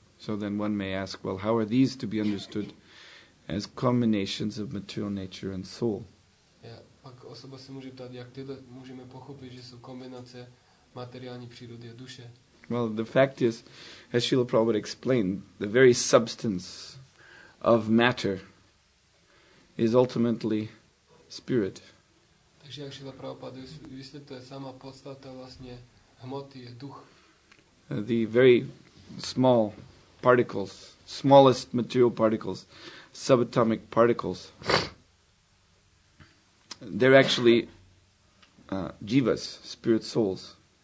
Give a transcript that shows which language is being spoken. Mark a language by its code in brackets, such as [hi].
[en] So then one may ask, well, how are these to be understood as combinations of material nature and soul? [cs] Yeah, pak osoba se může ptát, jak tyhle můžeme pochopit, že jsou kombinace materiální přírody a duše. [en] Well, the fact is, as Srila Prabhupada explained, the very substance of matter is ultimately spirit. [cs] Takže jak Srila Prabhupada vysvětluje, sama podstata vlastně hmoty je duch. [en] The very small particles, smallest material particles, subatomic particles, they're actually jivas, spirit souls.